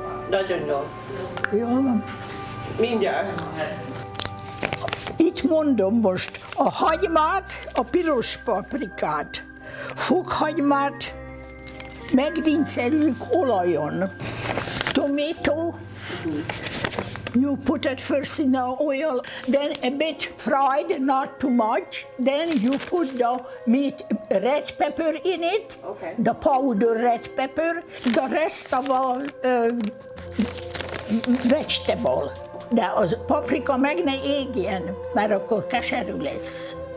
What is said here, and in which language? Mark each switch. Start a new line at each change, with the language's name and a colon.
Hungarian: Nagyon jó. Jó van. Mindjárt. Itt mondom most a hagymát, a piros paprikát, fokhagymát megdincelünk olajon.
English: Tomato. You put it first in the oil, then a bit fried, not too much. Then you put the meat, red pepper in it, okay. The powder red pepper, the rest of our vegetable.
Hungarian: De az paprika meg ne égjen, mert akkor keserű lesz.